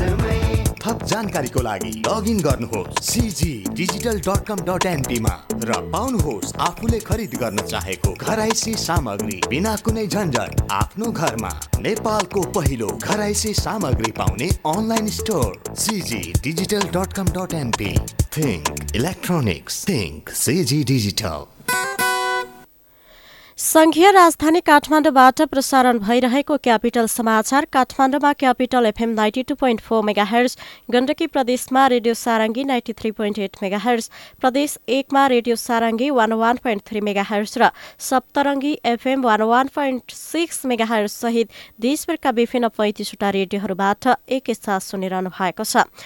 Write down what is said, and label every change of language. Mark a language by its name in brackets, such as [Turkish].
[Nepali] जानकारीको लागि लगइन गर्नुहोस् cgdigital.com.np मा र पाउनुहोस् आफूले खरिद गर्न चाहेको घरैसी सामग्री बिना कुनै झन्झट आफ्नो घरमा। नेपालको पहिलो घरैसी सामग्री पाउने online store cgdigital.com.np। [English] Think electronics, think CG digital. [Nepali] संघीय राजधानी काठमाडौँबाट प्रसारण भइरहेको क्यापिटल समाचार। काठमाडौँमा क्यापिटल एफएम 92.4 मेगाहर्ज, गण्डकी प्रदेशमा रेडियो सारङ्गी 93.8 मेगाहर्ज, प्रदेश एकमा रेडियो सारङ्गी 101.3 मेगाहर्ज र सप्तरङ्गी एफएम 101.6 मेगाहर्ज सहित देशभरका विभिन्न 35 रेडियोहरूबाट एकैसाथ सुनिरहनु भएको छ।